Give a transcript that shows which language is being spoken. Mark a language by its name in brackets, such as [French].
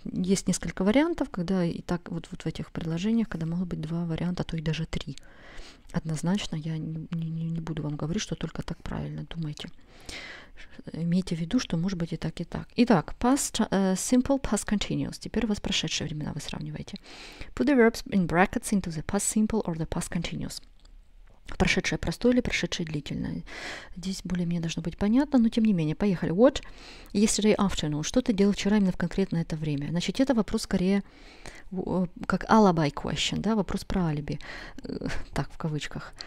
[Russian] Есть несколько вариантов, когда и так вот, вот в этих предложениях, когда могут быть два варианта, а то и даже три. Однозначно я не буду вам говорить, что только так правильно. Думайте. Имейте в виду, что может быть и так, и так. [English] Итак, past, simple past continuous. [Russian] Теперь у вас прошедшие времена, вы сравниваете. [English] Put the verbs in brackets into the past simple or the past continuous. [Russian] Прошедшее простое или прошедшее длительное. Здесь более-менее должно быть понятно, но тем не менее. [English] Поехали. What yesterday afternoon? [Russian] Что ты делал вчера именно в конкретно это время? Значит, это вопрос скорее как [English] alibi question, [Russian] да, вопрос про алиби, так, в кавычках.